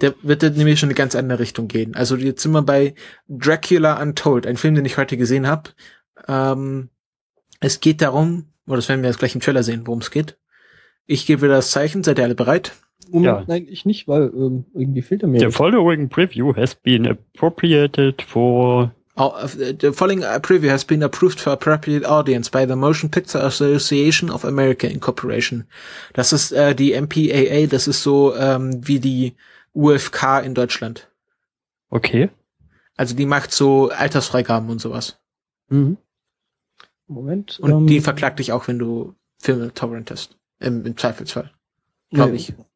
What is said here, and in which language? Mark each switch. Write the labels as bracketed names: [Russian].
[German] Der wird nämlich schon eine ganz andere Richtung gehen. Also jetzt sind wir bei Dracula Untold, ein Film, den ich heute gesehen habe. Es geht darum, oder das werden wir jetzt gleich im Trailer sehen, worum es geht. Ich gebe das Zeichen, seid ihr alle bereit? Nein, ich nicht, weil irgendwie fehlt er mir. [English] The following preview has been appropriated for... The following preview has been approved for appropriate audience by the Motion Picture Association of America Incorporation. [German] Das ist die MPAA, das ist so wie die UFK in Deutschland. Okay. Also die macht so Altersfreigaben und sowas. Mhm. Moment. Und die verklagt dich auch, wenn du Filme torrentest, im Zweifelsfall, glaube ich.